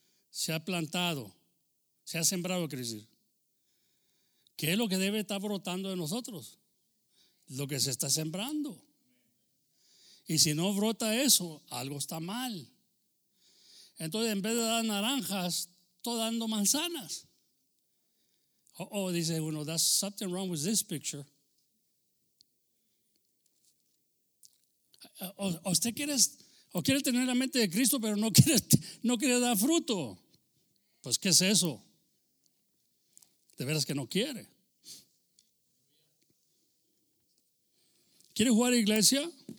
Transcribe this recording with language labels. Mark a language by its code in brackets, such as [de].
[es] Se ha plantado, se ha sembrado, quiere decir. ¿Qué es lo que debe estar brotando de nosotros? Lo que se está sembrando. Y si no brota eso, algo está mal. Entonces, en vez de dar naranjas, estoy dando manzanas. [en] Oh, [es] dice uno, [en] that's something wrong with this picture. [es] ¿Usted quiere, o quiere tener la mente de Cristo, pero no quiere dar fruto? Pues, ¿qué es eso? De veras que no quiere. ¿Quiere jugar a iglesia?